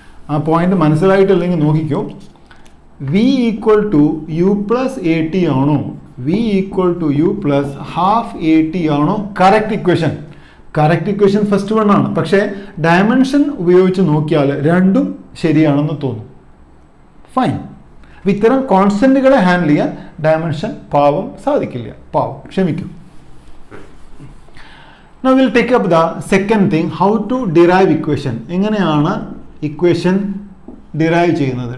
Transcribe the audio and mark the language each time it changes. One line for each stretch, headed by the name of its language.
Malayalam: ആ പോയിന്റ് മനസ്സിലായിട്ടില്ലെങ്കിൽ നോക്കിക്കോ. V equal to you plus A T ആണോ, V equal to you plus half A T ആണോ correct equation? Correct equation first one ആണ്. പക്ഷേ dimension ഉപയോഗിച്ച് നോക്കിയാൽ രണ്ടും ശരിയാണെന്ന് തോന്നും. ഫൈൻ, ഇത്തരം കോൺസ്റ്റന്റുകളെ ഹാൻഡിൽ ചെയ്യാൻ ഡയമെൻഷൻ പാവം സാധിക്കില്ല. പാവം, ക്ഷമിക്കും.
English: Now we'll take up the second thing, how to derive equation.
Malayalam: എങ്ങനെയാണ് ഇക്വേഷൻ ഡിറൈവ് ചെയ്യുന്നത്?